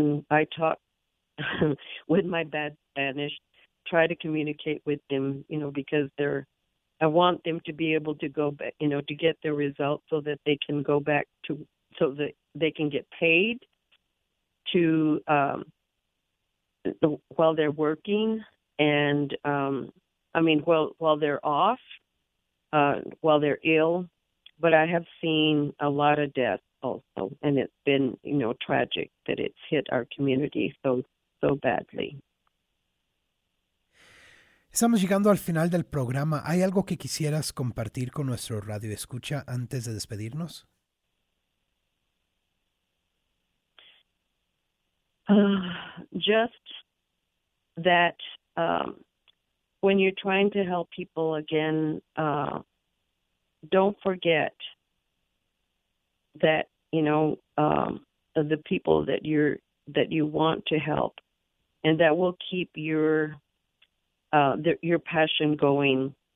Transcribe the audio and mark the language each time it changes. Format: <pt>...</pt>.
<en>I talk with my bad Spanish, try to communicate with them, you know, because I want them to be able to go back, you know, to get their results so that they can go back to, so that they can get paid to, while they're working, and, I mean, while they're off, while they're ill. But I have seen a lot of deaths also, and it's been, you know, tragic that it's hit our community so, so badly.</en> <es>Estamos llegando al final del programa. ¿Hay algo que quisieras compartir con nuestro radio escucha antes de despedirnos?</es> <en>Just that, when you're trying to help people again, don't forget that, you know, the people that you want to help, and that will keep your passion going.</en>